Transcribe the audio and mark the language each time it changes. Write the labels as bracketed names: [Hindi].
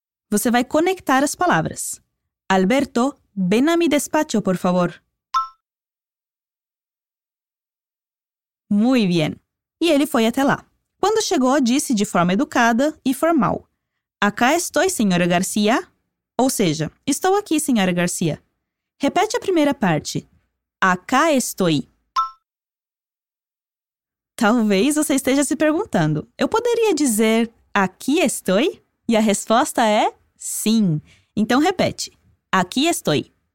[Portuguese] Você vai conectar as palavras. [Spanish] Alberto, ven a mi despacho, por favor. Muy bien. [Portuguese] E ele foi até lá. Quando chegou, disse de forma educada e formal. [Spanish] Acá estoy, señora García. [Portuguese] Ou seja, estou aqui, senhora Garcia. Repete a primeira parte. [Spanish] Acá estoy. [Portuguese] Talvez você esteja se perguntando, eu poderia dizer [Spanish] aqui estoy? [Portuguese] E a resposta é sim. Então repete, [Spanish] aqui estoy.